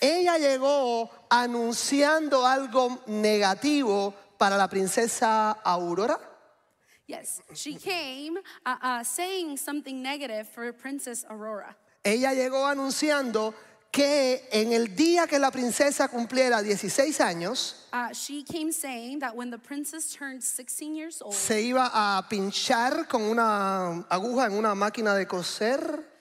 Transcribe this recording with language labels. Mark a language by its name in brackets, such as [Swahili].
[Spanish] Ella llegó anunciando algo negativo para la princesa Aurora. [English] Yes, she came saying something negative for Princess Aurora. [Spanish] Ella llegó anunciando que en el día que la princesa cumpliera 16 años, [English] she came saying that when the princess turned 16 years old, [Spanish] se iba a pinchar con una aguja en una máquina de coser.